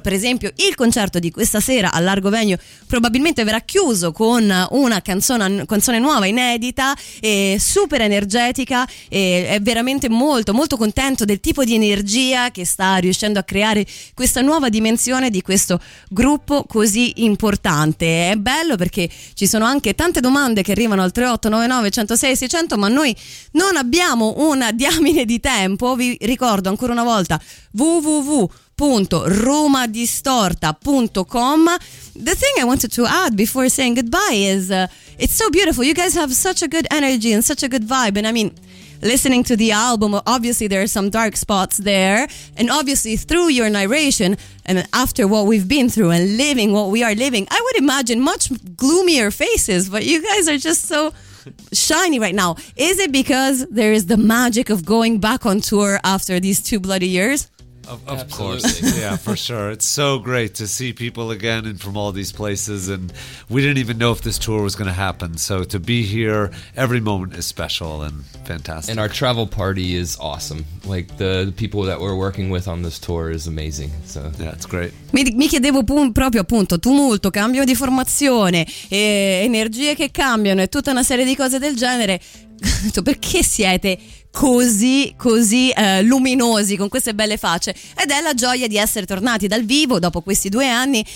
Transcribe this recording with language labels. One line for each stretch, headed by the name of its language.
Italian: Per esempio il concerto di questa sera a Largo Venue probabilmente verrà chiuso con una canzone nuova, inedita, e super energetica, e è veramente molto molto contento del tipo di energia che sta riuscendo a creare questa nuova dimensione di questo gruppo così importante. È bello perché ci sono anche tante domande che arrivano al 3899 106 600, ma noi non abbiamo una diamine di tempo. Vi ricordo ancora una volta www.romadistorta.com.
English: The thing I wanted to add before saying goodbye is it's so beautiful. You guys have such a good energy and such a good vibe. And I mean, listening to the album, obviously there are some dark spots there. And obviously through your narration and after what we've been through and living what we are living, I would imagine much gloomier faces, but you guys are just so shiny right now. Is it because there is the magic of going back on tour after these two bloody years? Of course, yeah, for sure. It's so great to see people again and from all these places, and we didn't even know if this tour was going to happen, so to be here, every moment is special and fantastic. And our travel party is awesome. Like the people that we're working with on this tour is amazing. So yeah, it's great.
Italian: Mi chiedevo proprio appunto, tumulto, cambio di formazione, e energie che cambiano e tutta una serie di cose del genere. Perché siete così luminosi con queste belle facce? Ed è la gioia di essere tornati dal vivo dopo questi due anni.